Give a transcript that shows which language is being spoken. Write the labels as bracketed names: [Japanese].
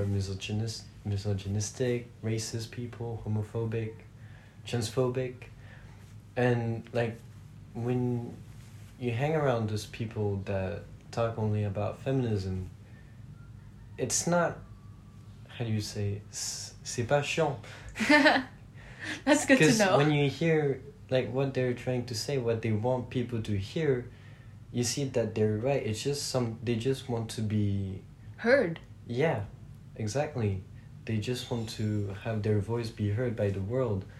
[English] are misogynistic, racist people, homophobic, transphobic. And, like, when you hang around those people that talk only about feminism, it's not how do you say, [French] c'est pas chiant. [English] That's good to know. Because when you hear like what they're trying to say, what they want people to hear, you see that they're right. It's just some, they just want to be heard. Yeah, exactly. They just want to have their voice be heard by the world.